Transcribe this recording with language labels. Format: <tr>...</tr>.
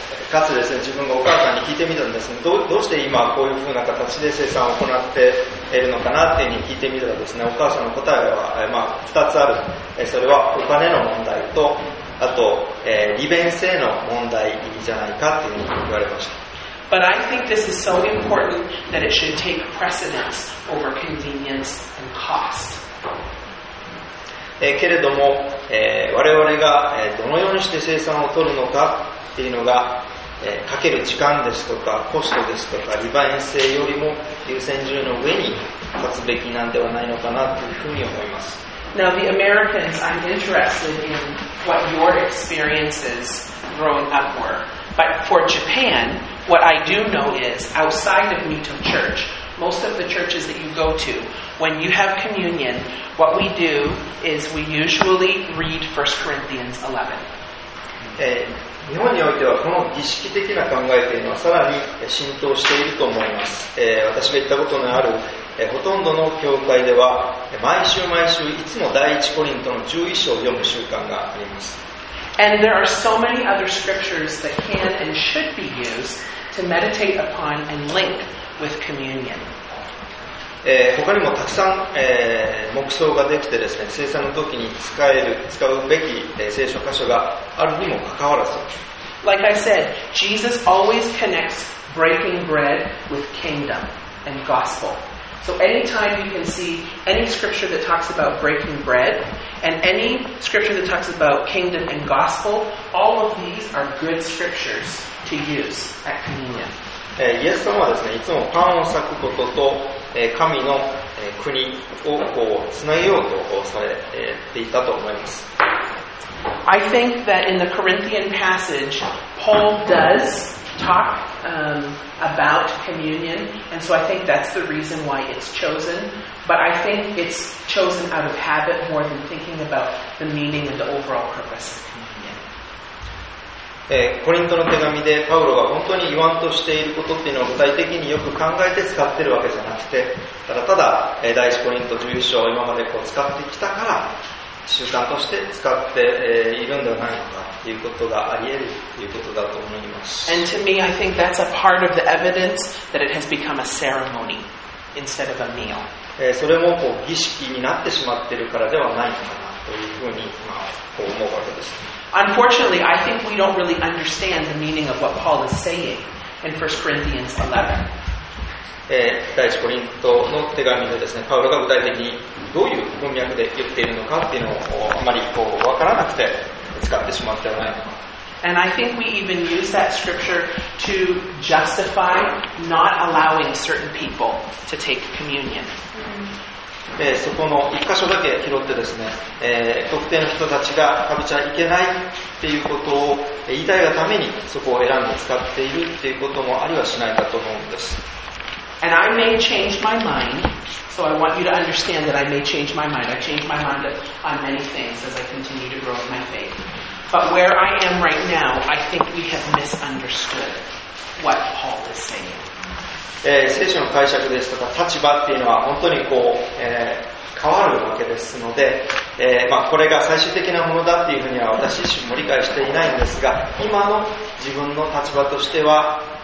<ja>かつですね、自分がお母さんに聞いてみたんですね。どうして今こういうふうな形で生産を行っているのかなっていうふうに聞いてみたらですね、お母さんの答えは、まあ、2つある。それはお金の問題と、あと、利便性の問題じゃないかっていうふうに言われました。</ja> <en>But I think this is so important that it should take precedence over convenience and cost.</en> <ja>けれども、我々がどのようにして生産を取るのかっていうのが、かける時間ですとかコストですとか利便性よりも優先順位の上に立つべきなんではないのかなというふうに思います。</ja> <en>Now the Americans, I'm interested in what your experiences growing up were. But for Japan, what I do know is, outside of Mito Church, most of the churches that you go to, when you have communion, what we do is we usually read 1 Corinthians 11.</en> <ja>日本においてはこの儀式的な考えというのはさらに浸透していると思います。私が言ったことのあるほとんどの教会では毎週毎週いつも第一コリントの11章を読む習慣があります。</ja> <en>And there are so many other scriptures that can and should be used to meditate upon and link with communion.</en> <ja>他にもたくさん黙想ができてですね、聖餐の時に使うべき聖書箇所があるにもかかわらず。</ja> <en>Like I said, Jesus always connects breaking bread with kingdom and gospel. So anytime you can see any scripture that talks about breaking bread and any scripture that talks about kingdom and gospel, all of these are good scriptures to use at communion.</en> <ja>イエス様はですね、いつもパンを裂くことと神の国をこうつなげようとされていたと思います。</ja> <en>I think that in the Corinthian passage, Paul does talk about communion, and so I think that's the reason why it's chosen. But I think it's chosen out of habit more than thinking about the meaning and the overall purpose of communion.</en> <ja>コリントの手紙でパウロが本当に言わんとしていることっていうのを具体的によく考えて使ってるわけじゃなくて、ただただ第一コリント11章を今までこう使ってきたから習慣として使っているんではないのかということがあり得るということだと思います。</ja> <en>And to me, I think that's a part of the evidence that it has become a ceremony instead of a meal.</en> <ja>それもこう儀式になってしまっているからではないのかなというふうに、まあ、こう思うわけです。</ja> <en>Unfortunately, I think we don't really understand the meaning of what Paul is saying in 1 Corinthians 11.</en> <ja>第一コリントの手紙でですね、パウロが具体的にどういう文脈で言っているのかっていうのをあまりこう分からなくて使ってしまってはないのか。</ja> <en>And I think we even use that scripture to justify not allowing certain people to take communion.</en> <ja>そこの一箇所だけ拾ってですね、特定の人たちが食べちゃいけないっていうことを言いたいがためにそこを選んで使っているっていうこともありはしないかと思うんです。</ja> <en>And I may change my mind, so I want you to understand that I may change my mind. I change my mind on many things as I continue to grow in my faith. But where I am right now, I think we have misunderstood what Paul is saying.</en> <ja>聖書の解釈ですとか立場っていうのは本当にこう、変わるわけですので、まあ、これが最終的なものだっていうふうには私自身も理解していないんですが、今の自分の立場としては、</ja>